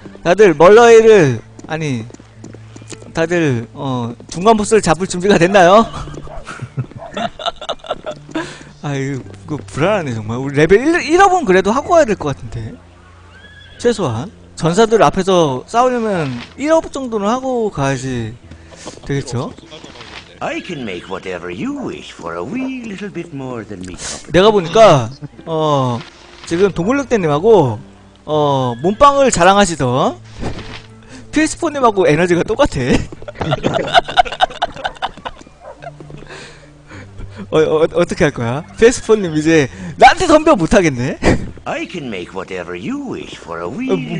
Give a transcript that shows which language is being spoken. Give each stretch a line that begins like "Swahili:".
Korean: 다들 멀러이를 아니 다들 중간 보스를 잡을 준비가 됐나요? 아유, 그 불안하네 정말. 우리 레벨 1업은 그래도 하고 와야 될 것 같은데. 최소한 전사들 앞에서 싸우려면 1업 정도는 하고 가야지. 되겠죠?
English: I can make whatever you wish for a wee little bit more than me.
Korean: 내가 보니까 지금 동글럭대님하고 몸빵을 자랑하시던 PS4님하고 에너지가 똑같아. 어떻게 할 거야? PS4님 이제 나한테 덤벼 못하겠네?
English: I can make whatever you wish for a week.